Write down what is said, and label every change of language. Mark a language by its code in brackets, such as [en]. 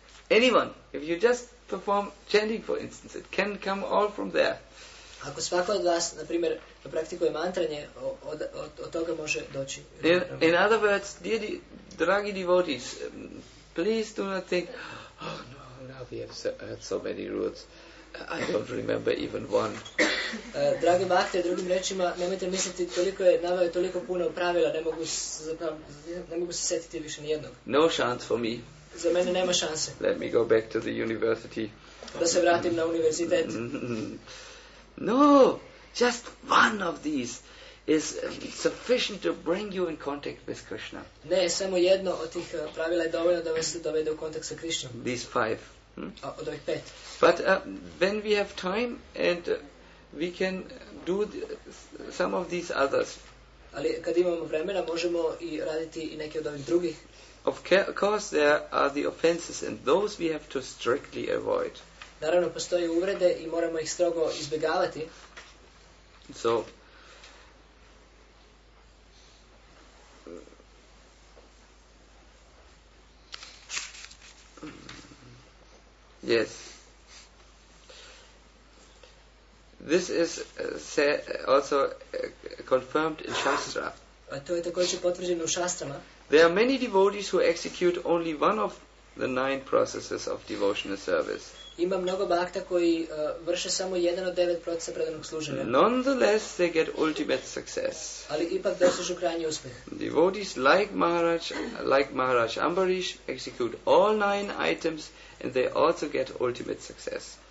[en] Anyone, if you just perform chanting for instance, it can come all from there. [sr] Ako svako od vas, na primjer, praktikuje mantranje, od toga može doći. [en] In other words, dragi devotees, please do not think, oh no, now we have heard so many roots, I don't remember even one. [sr] Dragi bhakte, drugim rečima, nemojte misliti, toliko je navio, toliko puno pravila, ne mogu se sjetiti više nijednog. [en] No chance for me. [sr] Za mene nema šanse. [en] Let me go back to the university. [sr] Da se vratim na univerzitet. [en] No, just one of these is sufficient to bring you in contact with Krishna. [sr] Ne, samo jedno od tih pravila je dovoljno da vas dovede u kontakt sa Krishnom. [en] These five. [sr] Od ovih pet. [en] But when we have time and we can do some of these others. [sr] Ali kad imamo vremena možemo i raditi i neke od ovih drugih. [en] Of course there are the offenses and those we have to strictly avoid. [sr] Naravno, postoje uvrede i moramo ih strogo izbjegavati. [en] So, yes. This is also confirmed in Shastra. [sr] A to je također potvrđeno u Shastrama. [en] There are many devotees who execute only one of the nine processes of devotional service. [sr] Ima mnogo bhakta koji vrše samo jedan od devet procesa predanog služenja. [en] Nonetheless, they get ultimate success. [sr] Ali ipak dosežu krajnji uspjeh. [en] Devotees like Maharaj Ambarish execute all nine items and they also get ultimate success.